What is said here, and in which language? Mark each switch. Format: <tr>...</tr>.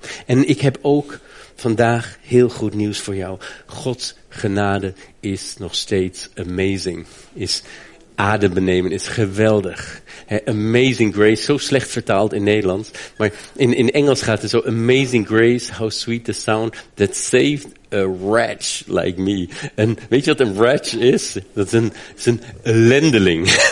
<nl>En ik heb ook vandaag heel goed nieuws voor jou. Gods genade is nog steeds amazing. Is adembenemend. Is geweldig.</nl> <en>Amazing grace.</en> <nl>Zo slecht vertaald in Nederlands. Maar in Engels gaat het zo.</nl> <en>Amazing grace. How sweet the sound that saved a wretch like me.</en> <nl>En weet je wat een wretch is? Dat is een ellendeling.</nl>